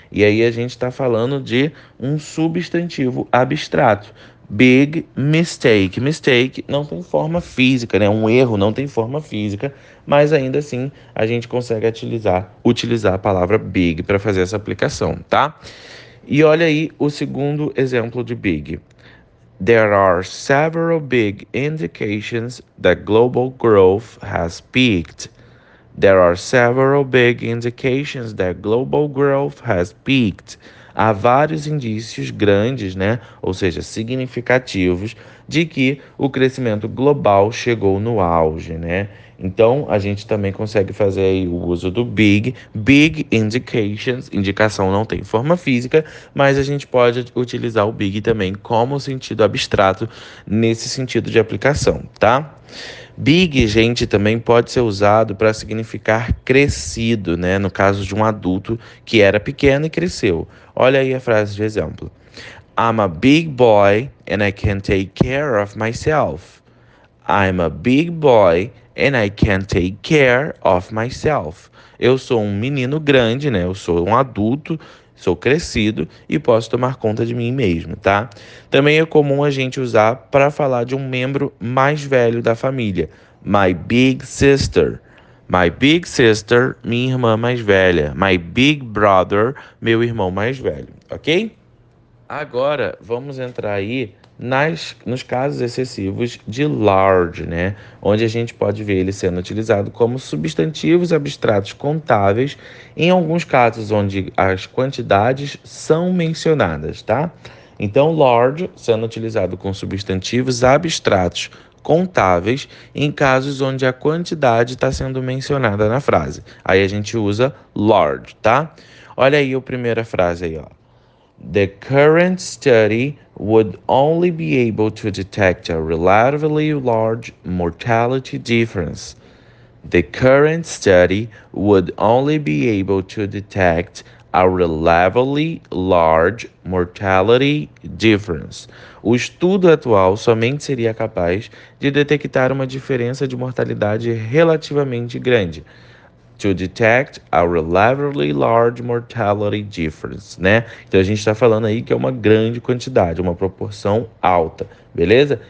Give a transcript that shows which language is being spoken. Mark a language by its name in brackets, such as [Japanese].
[Portuguese] E aí a gente está falando de um substantivo abstrato. [English] Big mistake. [Portuguese] Mistake não tem forma física, né? Um erro não tem forma física, mas ainda assim a gente consegue utilizar a palavra big para fazer essa aplicação, tá? E olha aí o segundo exemplo de big. [English] There are several big indications that global growth has peaked. There are several big indications that global growth has peaked. [Portuguese] Há vários indícios grandes, né? Ou seja, significativos, de que o crescimento global chegou no auge, né? Então, a gente também consegue fazer aí o uso do big indications, indicação não tem forma física, mas a gente pode utilizar o big também como sentido abstrato nesse sentido de aplicação, tá? Big, gente, também pode ser usado para significar crescido, né? No caso de um adulto que era pequeno e cresceu. Olha aí a frase de exemplo. [English] I'm a big boy and I can take care of myself. I'm a big boy and I can take care of myself. [Portuguese] Eu sou um menino grande, né? Eu sou um adulto. Sou crescido e posso tomar conta de mim mesmo, tá? Também é comum a gente usar para falar de um membro mais velho da família. [English] My big sister. My big sister, [Portuguese] minha irmã mais velha. [English] My big brother, [Portuguese] meu irmão mais velho, ok? Agora vamos entrar aí nos casos excessivos de large, né? Onde a gente pode ver ele sendo utilizado como substantivos abstratos contáveis em alguns casos onde as quantidades são mencionadas, tá? Então, large sendo utilizado com substantivos abstratos contáveis em casos onde a quantidade está sendo mencionada na frase. Aí a gente usa large, tá? Olha aí a primeira frase aí, ó. [English] The current study would only be able to detect a relatively large mortality difference. The current study would only be able to detect a relatively large mortality difference. [Portuguese] O estudo atual somente seria capaz de detectar uma diferença de mortalidade relativamente grande. [English] To detect a relatively large mortality difference, né? [Portuguese] Então a gente está falando aí que é uma grande quantidade, uma proporção alta, beleza?